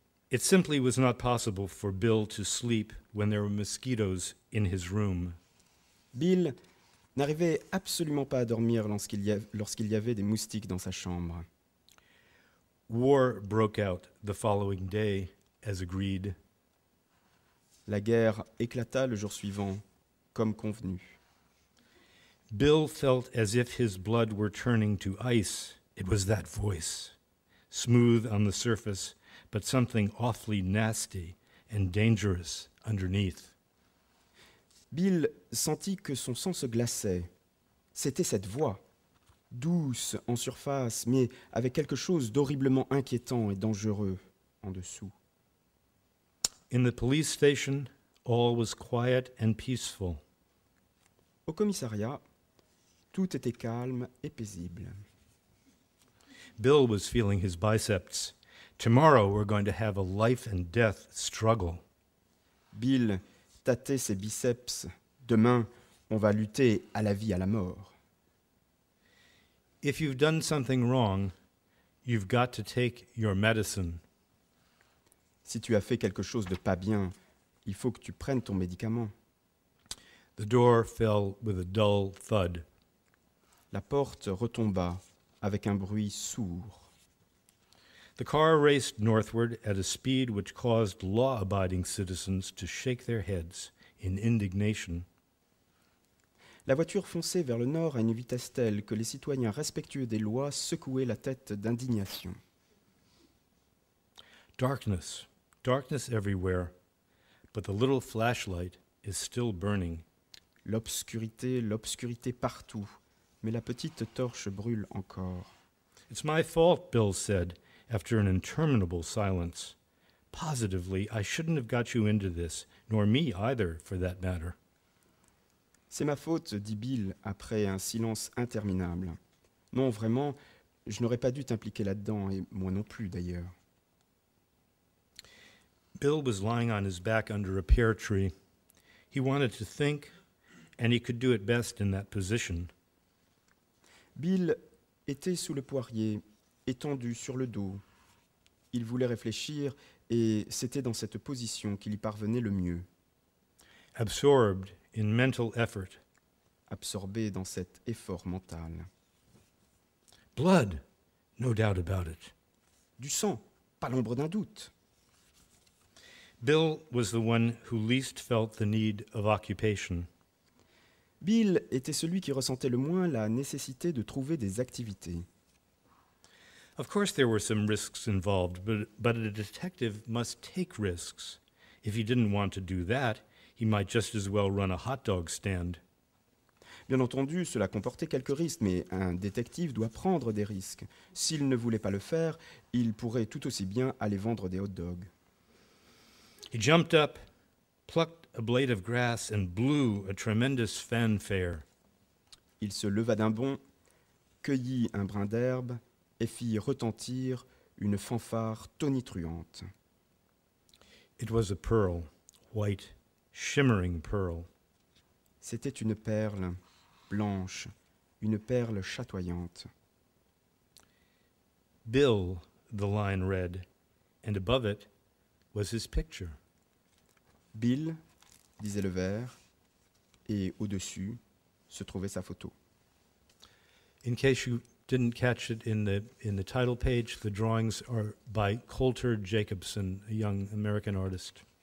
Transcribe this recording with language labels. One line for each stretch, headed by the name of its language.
English: It simply was not possible for Bill to sleep when there were mosquitoes in his room.
French: Bill n'arrivait absolument pas à dormir lorsqu'il y avait des moustiques dans sa chambre.
English: War broke out the following day, as agreed.
French: La guerre éclata le jour suivant, comme convenu.
English: Bill felt as if his blood were turning to ice. It was that voice, smooth on the surface, but something awfully nasty and dangerous underneath.
French: Bill sentit que son sang se glaçait. C'était cette voix, douce en surface, mais avec quelque chose d'horriblement inquiétant et dangereux en dessous.
English: In the police station, all was quiet and peaceful.
French: Au commissariat, tout était calme et paisible.
English: Bill was feeling his biceps. Tomorrow, we're going to have a life and death struggle.
French: Bill tâtait ses biceps. Demain, on va lutter à la vie, à la mort.
English: If you've done something wrong, you've got to take your medicine.
French: Si tu as fait quelque chose de pas bien, il faut que tu prennes ton médicament.
English: The door fell with a dull thud.
French: La porte retomba avec un bruit sourd.
English: The car raced northward at a speed which caused law-abiding citizens to shake their heads in indignation.
French: La voiture fonçait vers le nord à une vitesse telle que les citoyens respectueux des lois secouaient la tête d'indignation.
English: Darkness, darkness everywhere, but the little flashlight is still burning.
French: L'obscurité, l'obscurité partout, mais la petite torche brûle encore.
English: It's my fault, Bill said, after an interminable silence. Positively, I shouldn't have got you into this, nor me either, for that matter.
French: C'est ma faute, dit Bill, après un silence interminable. Non, vraiment, je n'aurais pas dû t'impliquer là-dedans, et moi non plus, d'ailleurs.
English: Bill was lying on his back under a pear tree. He wanted to think, and he could do it best in that position.
French: Bill était sous le poirier, étendu sur le dos. Il voulait réfléchir, et c'était dans cette position qu'il y parvenait le mieux.
English: Absorbed in mental effort.
French: Absorbé dans cet effort mental.
English: Blood, no doubt about it.
French: Du sang, pas l'ombre d'un doute.
English: Bill was the one who least felt the need of occupation.
French: Bill était celui qui ressentait le moins la nécessité de trouver des activités.
English: Of course there were some risks involved, but a detective must take risks. If he didn't want to do that, he might just as well run a hot dog stand.
French: Bien entendu, cela comportait quelques risques, mais un détective doit prendre des risques. S'il ne voulait pas le faire, il pourrait tout aussi bien aller vendre des hot dogs.
English: He jumped up, plucked a blade of grass and blew a tremendous fanfare.
French: Il se leva d'un bond, cueillit un brin d'herbe et fit retentir une fanfare tonitruante.
English: It was a pearl, white, shimmering pearl.
French: C'était une perle blanche, une perle chatoyante.
English: Bill, the line read, and above it was his picture.
French: Bill, disait le vers, et au-dessus se trouvait sa photo.
English: In case you didn't catch it in the title page, the drawings are by Coulter Jacobson, a young American artist.